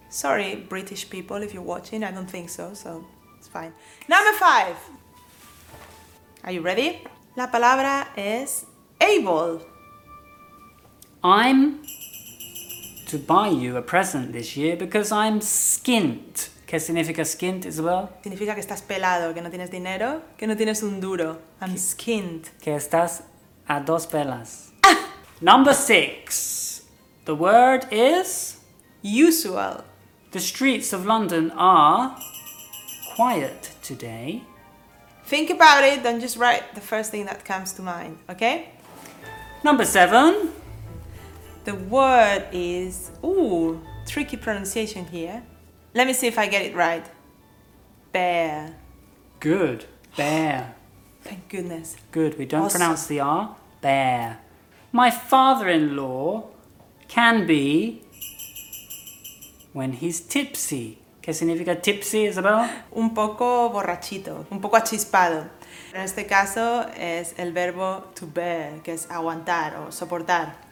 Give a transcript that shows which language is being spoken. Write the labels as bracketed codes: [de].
[en] Sorry, British people, if you're watching, I don't think so, so it's fine. Number five. Are you ready? [es] La palabra es [en] able. I'm to buy you a present this year because I'm skint. [es] ¿Qué significa skint, Isabel? Significa que estás pelado, que no tienes dinero, que no tienes un duro. [en] I'm skint. [es] Que estás a dos pelas. [en] Number six. The word is? Usual. The streets of London are quiet today. Think about it, don't just write the first thing that comes to mind, okay? Number seven. The word is, tricky pronunciation here. Let me see if I get it right. Bear. Good, bear. Thank goodness. Good, we don't pronounce the R, bear. My father-in-law can be when he's tipsy. [es] ¿Qué significa tipsy, Isabel? Un poco borrachito, un poco achispado. En este caso es el verbo to bear, que es aguantar o soportar.